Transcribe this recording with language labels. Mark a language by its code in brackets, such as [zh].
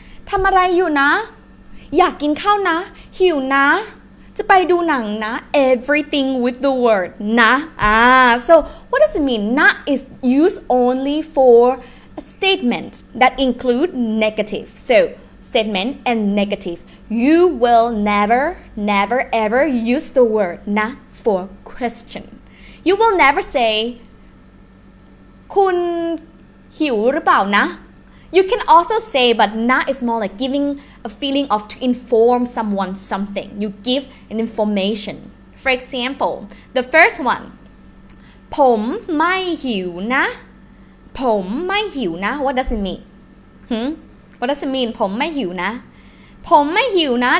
[th] ทำอะไรอยู่นะ อยากกินข้าวนะ หิวนะจะไปดูหนังนะ [en] everything with the word na. So what does it mean? Na is used only for a statement that include negative. So statement and negative. You will never ever use the word na for question. You will never say [th] คุณหิวหรือเปล่านะ. [en] You can also say, but na is more like giving a feeling of to inform someone something. You give an information. For example, the first one. [th] ผมไม่หิวนะ. ผมไม่หิวนะ. [en] What does it mean? What does it mean? [th] ผมไม่หิวนะ. ผมไม่หิวนะ.